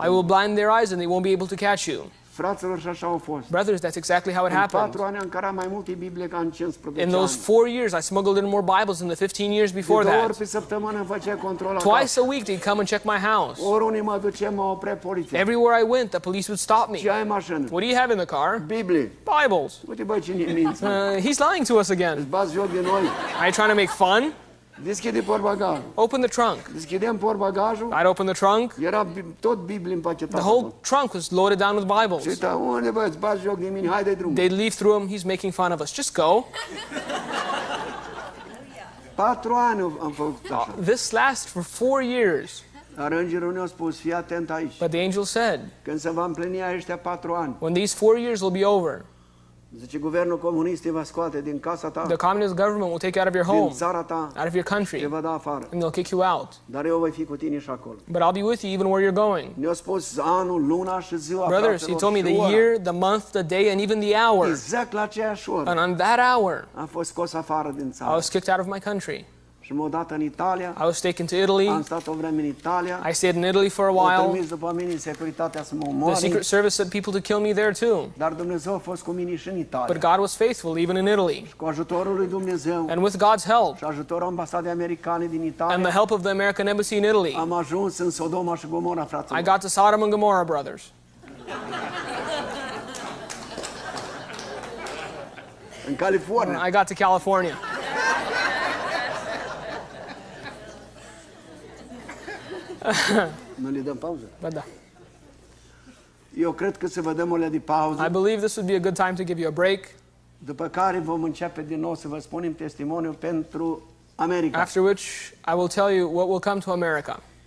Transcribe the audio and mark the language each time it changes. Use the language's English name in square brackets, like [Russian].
[English] I will blind their eyes and they won't be able to catch you. [Romanian] Fraților, și așa a fost. [English] Brothers, that's exactly how it [Romanian] în [English] happened. [Romanian] 4 ani am cărat mai multe Biblie ca în 15 ani. [English] In those 4 years I smuggled in more Bibles than the 15 years before that. [Romanian] De două ori pe săptămână îmi făcea control. [English] Twice a week they come and check my house. [Romanian] Oriunde mă duceam, mă oprea poliția. [English] Everywhere I went, the police would stop me. [Romanian] Ce ai în mașină? [English] What do you have in the car? [Romanian] Biblie. [English] Bibles. [Romanian] Uite, bă, cine minte. [English] He's lying to us again. [Romanian] Îți bați joc de noi. [English] Are you trying to make fun? [Romanian] Deschide portbagajul. [English] Open the trunk. [Romanian] Deschideam portbagajul. [English] I'd open the trunk. [Romanian] Era tot Biblia împachetată. [English] The whole trunk was loaded down with Bibles. [Romanian] Și unde bă, îți bați joc de mine, hai de drum. [English] They'd leave through him, he's making fun of us. Just go. [Romanian] 4 ani am făcut așa. [English] This lasts for 4 years. [Romanian] Dar îngerul ne-a spus, fii atent aici. [English] But the angel said, [Romanian] când se va împlini aceștia 4 ani. [English] When these 4 years will be over. [Romanian] Zice, guvernul comunist te va scoate din casa ta. [English] The communist government will take you out of your home. [Romanian] Din țara ta. [English] Out of your country. [Romanian] Te va da afară. [English] And they'll kick you out. [Romanian] Dar eu voi fi cu tine și acolo. [English] But I'll be with you even where you're going. [Romanian] Ne-a spus anul, luna și ziua. [English] Brothers, he told me the year, the month, the day and even the hour. [Romanian] Exact la aceeași oră. [English] And on that hour. [Romanian] Am fost scos afară din țară. [English] I was kicked out of my country. [Romanian] Și m-au dat în Italia. [English] I was taken to Italy. [Romanian] Am stat o vreme în Italia. [English] I stayed in Italy for a while. [Romanian] M-au trimis după mine în securitatea să mă omoare. [English] The secret service sent people to kill me there too. [Romanian] Dar Dumnezeu a fost cu mine și în Italia. [English] But God was faithful even in Italy. [Romanian] Și cu ajutorul lui Dumnezeu. [English] And with God's help. [Romanian] Și ajutorul ambasadei americane din Italia. [English] And the help of the American embassy in Italy. [Romanian] Am ajuns în Sodoma și Gomorra, frate. [English] I got to Sodom and Gomorrah, brothers. [Romanian] În California. [English] I got to California. [Romanian] Nu le dăm pauză? Ba da. Eu cred că să vă dăm o lea de pauză. [English] I believe this would be a good time to give you a break. [Romanian] După care vom începe din nou să vă spunem testimoniul pentru America. [English] After which I will tell you what will come to America.